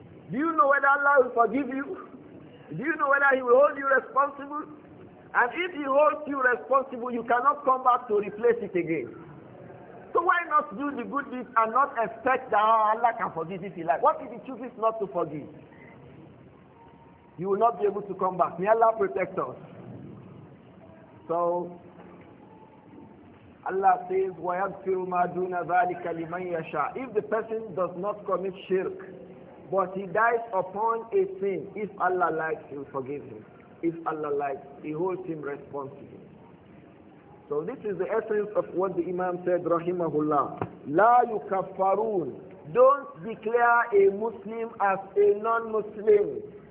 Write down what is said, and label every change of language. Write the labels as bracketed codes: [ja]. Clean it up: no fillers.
[en] Do you know whether Allah will forgive you? Do you know whether he will hold you responsible? And if he holds you responsible, you cannot come back to replace it again. So why not do the good deeds and not expect that Allah can forgive if he likes? What if he chooses not to forgive? You will not be able to come back. May Allah protect us. So Allah says, [ar] وَيَغْفِرُ مَا دُونَ ذَلِكَ لِمَنْ يَشَاءُ. [en] If the person does not commit shirk, but he dies upon a sin, if Allah likes, he will forgive him. If Allah likes, he holds him responsible. So this is the essence of what the Imam said, rahimahullah. [ar] La yukaffarun. [en] Don't declare a Muslim as a non-Muslim.